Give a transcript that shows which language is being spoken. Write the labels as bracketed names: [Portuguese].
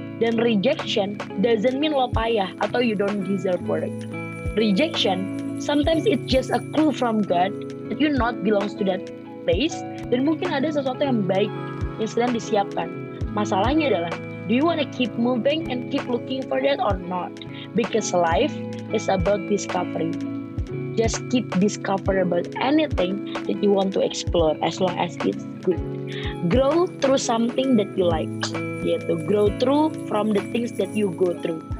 [English] Dan rejection doesn't mean [Indonesian] lo payah atau [English] you don't deserve work. Rejection, sometimes it's just a clue from God that you not belongs to that place. [Indonesian] Dan mungkin ada sesuatu yang baik yang sedang disiapkan. Masalahnya adalah, [English] do you wanna keep moving and keep looking for that or not? Because life is about discovery. Just keep discovering about anything that you want to explore as long as it's good. Grow through something that you like. [Indonesian] Yaitu, [English] grow through from the things that you go through.